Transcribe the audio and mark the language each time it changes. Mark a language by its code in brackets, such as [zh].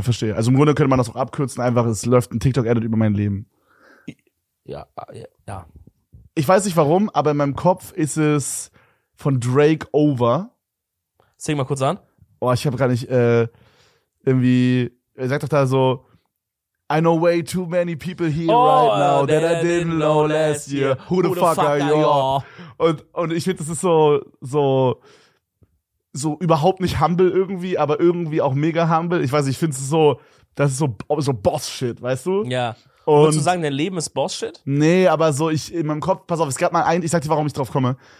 [de] Also im Grunde könnte man das auch abkürzen. Einfach, es läuft ein TikTok-Edit über mein Leben. Ja. Ich weiß nicht warum, aber in meinem Kopf ist es von Drake Over. Sing mal kurz an. Oh, ich habe gar nicht irgendwie. Er sagt doch da so, [en] I know way too many people here right now that I didn't know last year. Who the fuck are you? [de] Und ich finde, das ist so überhaupt nicht humble irgendwie, aber irgendwie auch mega humble. Ich weiß, ich finde es so, das ist so Boss-Shit, weißt du? Ja. Würdest du sagen, dein Leben ist Boss-Shit? Nee, aber so, ich in meinem Kopf, pass auf, es gab mal ein, ich sag dir, warum ich drauf komme.